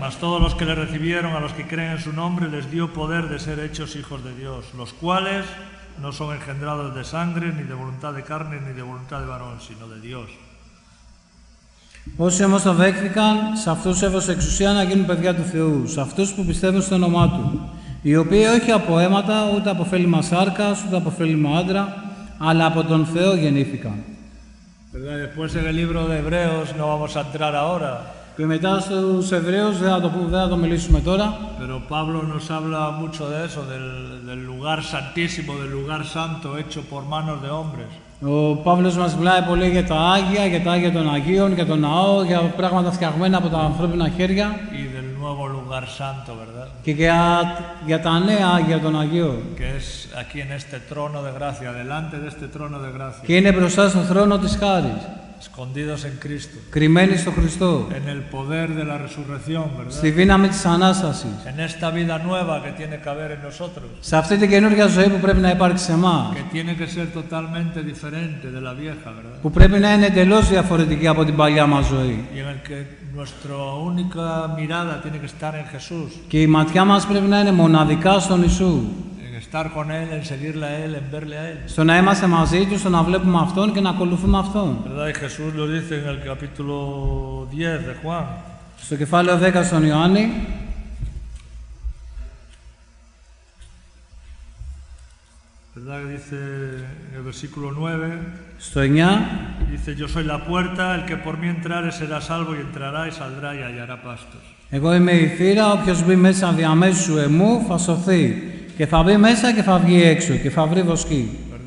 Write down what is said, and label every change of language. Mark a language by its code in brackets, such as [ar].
[es] Mas todos los que le recibieron, a los que creen en su nombre, les dio poder de ser hechos hijos de Dios, los cuales no son engendrados de sangre, ni de voluntad de carne, ni de voluntad de varón, sino de Dios. [el] Όσοι όμως τον δέχθηκαν, σε αυτούς έδωσε εξουσία να γίνουν παιδιά του Θεού, σε αυτούς που πιστεύουν στο όνομά του, οι οποίοι όχι από αίματα, ούτε από φέλημα σάρκας, ούτε από φέλημα άντρα, αλλά από τον Θεό γεννήθηκαν. [es] Después en el libro de Hebreos no vamos a entrar ahora. [el] Και μετά στους Εβραίους δεν θα το μιλήσουμε τώρα. [es] Pero Pablo nos habla mucho de eso, del lugar santísimo, del lugar santo hecho por manos de hombres. [el] Ο Παύλος μας μιλάει πολύ για τα Άγια, για τα Άγια των Αγίων, για τον Ναό, για πράγματα φτιαγμένα από τα ανθρώπινα χέρια. [es] Y del nuevo lugar santo, ¿verdad? [el] Και για τα νέα Άγια των Αγίων. [es] Que es aquí en este trono de gracia, delante de este trono de gracia. [el] Και είναι μπροστά στον θρόνο της χάρης. [es] Escondidos en Cristo. [el] Κρυμμένοι στο Χριστό. [es] En el poder de la resurrección, ¿verdad? [el] Στη δύναμη της Ανάστασης. [es] En esta vida nueva que tiene que haber en nosotros. [el] Σε αυτή την καινούργια ζωή που πρέπει να υπάρξει σε εμάς. [es] Que tiene que ser totalmente diferente de la vieja, ¿verdad? [el] Που πρέπει να είναι εντελώς διαφορετική από την παλιά μας ζωή. [es] Y en el que nuestra única mirada tiene que estar en Jesús. [el] Και η ματιά μας πρέπει να είναι μοναδικά στον Ιησού. [es] Estar con él, en seguirle a él, en verle a él. [el] Στο να είμαστε μαζί του, στο να βλέπουμε αυτόν και να ακολουθούμε αυτόν. [es] Verdad, Jesús lo dice en el capítulo 10 de Juan. [el] Στο κεφάλαιο 10 στον Ιωάννη. [es] Verdad, dice en el versículo 9. [el] Στο 9. [es] Dice, yo soy la puerta, el que por mí entrare será salvo y entrará y saldrá y hallará pastos. [el] Εγώ είμαι η θύρα, όποιος μπει μέσα διαμέσου εμού θα σωθεί. Και θα μπει μέσα και θα βγει έξω και θα βρει βοσκή.